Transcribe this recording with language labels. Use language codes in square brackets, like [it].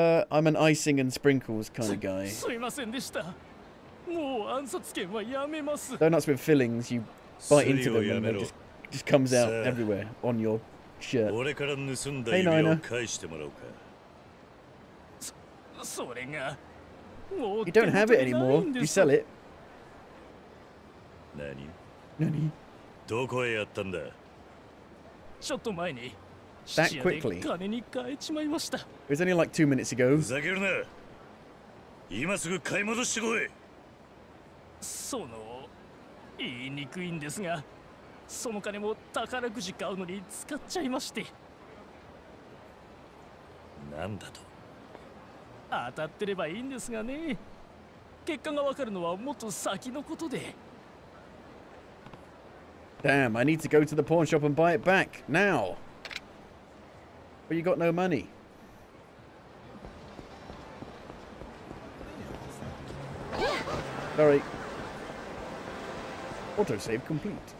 [en] I'm an icing and sprinkles kind of guy. Sorry, Masendista. [ja] もう暗殺剣はやめます。 [en] Donuts with fillings, you bite into them and it just comes out everywhere on your shirt. [ja] 俺から盗んだ指輪を返してもらおうか。それが、もう [en] You don't have it anymore. You sell it. [ja] 何？どこへやったんだ？ちょっと前に、 [en] That quickly. [ja] 金に変えちまいました。 [en] It was only like 2 minutes ago. [ja] ふざけるな。今すぐ買い戻してこい。その言いにくいんですが、その金も宝くじ買うのに使っちゃいまして。なんだと。当たってればいいんですがね。結果がわかるのはもっと先のことで。 [en] Damn, I need to go to the pawn shop and buy it back now. But you got no money. Sorry. Autosave complete.